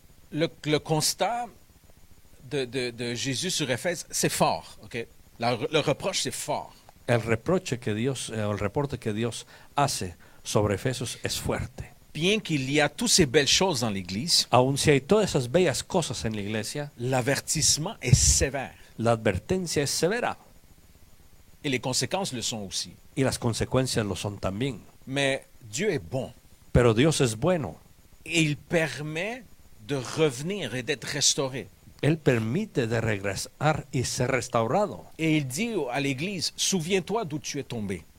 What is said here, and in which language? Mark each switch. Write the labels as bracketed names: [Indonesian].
[French] Le constat de Jésus sur Éphèse, c'est fort, ok? Le reproche, c'est fort. [Spanish] El reporte que Dios hace sobre Efesios es fuerte. [French] Bien qu'il y a toutes ces belles choses dans l'Église, [Spanish] aun si hay todas esas bellas cosas en la iglesia, [French] l'avertissement est sévère. [Spanish] La advertencia es severa. [French] Et les conséquences le sont aussi. [Spanish] Y las consecuencias lo son también. [French] Mais Dieu est bon. [Spanish] Pero Dios es bueno. [French] Et il permet de revenir et d'être restauré. [Spanish] Él permite de regresar y ser restaurado. [French] Et il dit à l'église, souviens-toi d'où tu es tombé.